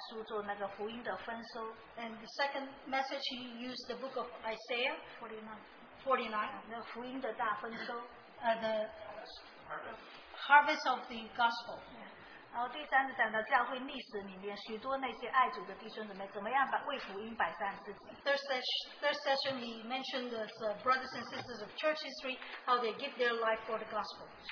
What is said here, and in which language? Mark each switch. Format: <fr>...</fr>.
<zh>第二堂信息，他以49章以赛亚书做那个福音的丰收。And</zh> <en>the second message he used the book of Isaiah</en> <zh>49. 那福音的大丰收。The</zh> <en>harvest of the gospel.</en> <zh>然后第三次讲到教会历史里面，许多那些爱主的弟兄姊妹怎么样把为福音摆上自己。Third</zh> <en>session he mentioned the brothers and sisters of church history how they give their life for the gospel.</en>